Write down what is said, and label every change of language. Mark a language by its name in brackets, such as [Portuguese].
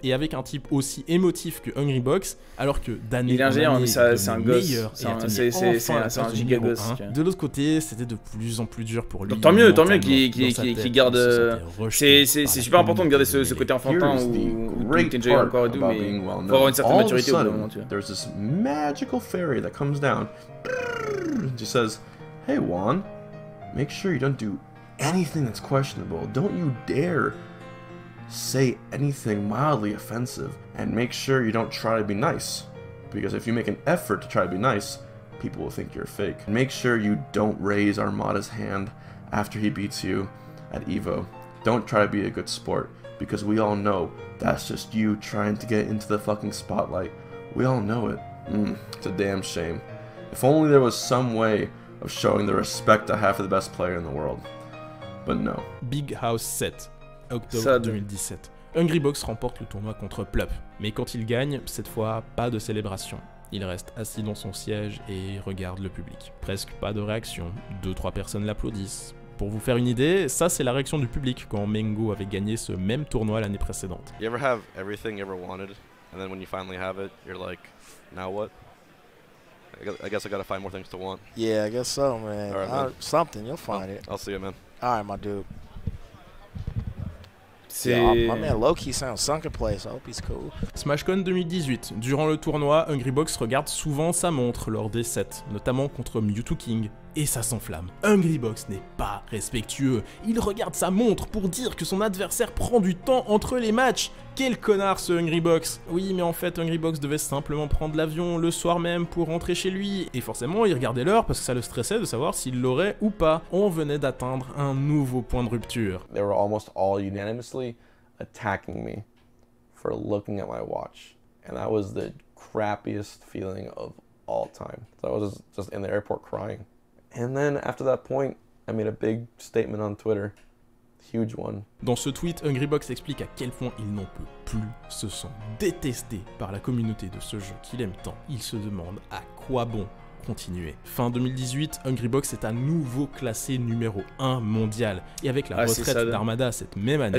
[French] Et avec un type aussi émotif que Hungrybox, alors que d'année en année, il est un meilleur, c'est un giga gosse. De l'autre côté, c'était de plus en plus dur pour lui. Tant mieux qu'il garde... C'est super important de garder ce côté enfantin où tu enjoyes encore et tout, mais pour avoir une certaine... [English] All of a sudden, there's this magical fairy that comes down. She says, "Hey Juan, make sure you don't do anything that's questionable. Don't you dare say anything mildly offensive, and make sure you don't try to be nice. Because if you make an effort to try to be nice, people will think you're fake. Make sure you don't raise Armada's hand after he beats you at Evo. Don't try to be a good sport. Because we all know that's just you trying to get into the fucking spotlight. We all know it. It's a damn shame. If only there was some way of showing the respect I have for the best player in the world. But no. [French] Big House 7, octobre 2017. Hungrybox remporte le tournoi contre Plup. Mais quand il gagne, cette fois, pas de célébration. Il reste assis dans son siège et regarde le public. Presque pas de réaction. 2-3 personnes l'applaudissent. Pour vous faire une idée, ça c'est la réaction du public quand Mango avait gagné ce même tournoi l'année précédente. [English] You ever have everything you ever wanted, and then when you finally have it, you're like, now what? I guess I gotta find more things to want. Yeah, I guess so, man. All right, man. Something, you'll find it. I'll see you, man. All right, my dude. My man Loki sound sunk in place. I hope he's cool. [French] SmashCon 2018. Durant le tournoi, Hungrybox regarde souvent sa montre lors des sets, notamment contre Mewtwo King. Et ça s'enflamme. Hungrybox n'est pas respectueux. Il regarde sa montre pour dire que son adversaire prend du temps entre les matchs. Quel connard ce Hungrybox. Oui, mais en fait, Hungrybox devait simplement prendre l'avion le soir même pour rentrer chez lui. Et forcément, il regardait l'heure parce que ça le stressait de savoir s'il l'aurait ou pas. On venait d'atteindre un nouveau point de rupture. [English] They were almost all unanimously attacking me for looking at my watch. And that was the crappiest feeling of all time. So I was just in the airport crying. And then after that point, I made a big statement on Twitter. Huge one. [French] Dans ce tweet, Hungrybox explique à quel point il n'en peut plus, se sent détesté par la communauté de ce jeu qu'il aime tant. Il se demande à quoi bon continuer. Fin 2018, Hungrybox est à nouveau classé numéro 1 mondial. Et avec la retraite d'Armada cette même année,